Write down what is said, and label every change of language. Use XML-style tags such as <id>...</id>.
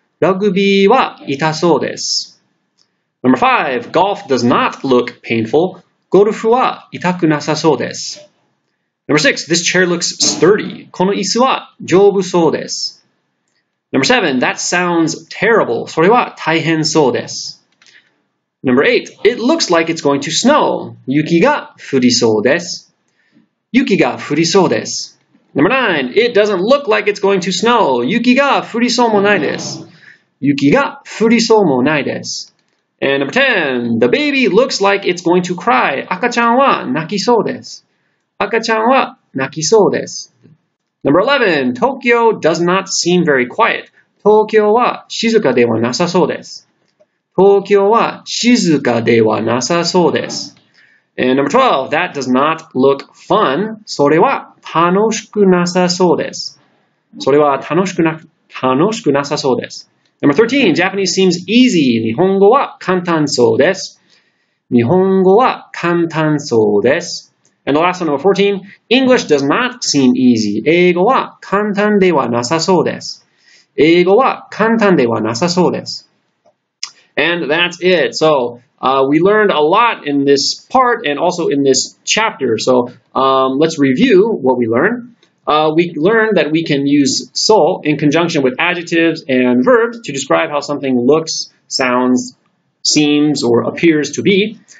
<ja>ラグビーは痛そうです。</ja> <en>Number five, golf does not look painful.</en> <ja>ゴルフは痛くなさそうです。</ja> <en>Number six, this chair looks sturdy.</en> <ja>この椅子は丈夫そうです。</ja> <en>Number seven, that sounds terrible.</en> <ja>それは大変そうです。</ja> <en>Number eight, it looks like it's going to snow.</en> <ja>雪が降りそうです。雪が降りそうです。</ja> <en>Number 9. It doesn't look like it's going to snow.</en> <ja>雪が降りそうもないです。雪が降りそうもないです。</ja> <en>And number 10. The baby looks like it's going to cry.</en> <ja>赤ちゃんは泣きそうです。赤ちゃんは泣きそうです。</ja> <en>Number 11. Tokyo does not seem very quiet.</en> <ja>東京は静かではなさそうです。東京は静かではなさそうです。</ja> <en>And number 12, that does not look fun.</en> <ja>それは楽しくなさそうです。それは楽しくなさそうです。</ja> <en>Number 13, Japanese seems easy.</en> <ja>日本語は簡単そうです。日本語は簡単そうです。</ja> <en>And the last one, number 14, English does not seem easy.</en> <ja>英語は簡単ではなさそうです。英語は簡単ではなさそうです。</ja> <en>And that's it. So,we learned a lot in this part and also in this chapter. So let's review what we learned. We learned that we can use そう in conjunction with adjectives and verbs to describe how something looks, sounds, seems, or appears to be.</en>